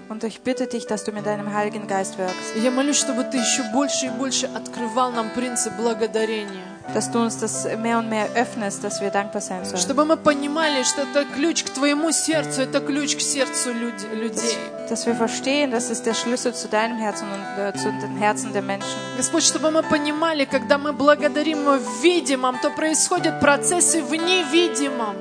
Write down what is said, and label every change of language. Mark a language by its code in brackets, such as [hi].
[de] Und ich bitte dich, dass du mit deinem Heiligen Geist wirkst. [ru] И я молюсь, чтобы ты еще больше и больше открывал нам принцип благодарения. [de] Dass du uns das mehr und mehr öffnest, dass wir dankbar sein sollen. [ru] Чтобы мы понимали, что это ключ к твоему сердцу, это ключ к сердцу людей. [de] Dass wir verstehen, das ist der Schlüssel zu deinem Herzen und zu den Herzen der Menschen. [ru] Господь, чтобы мы понимали, когда мы благодарим в видимом, то происходят процессы в невидимом.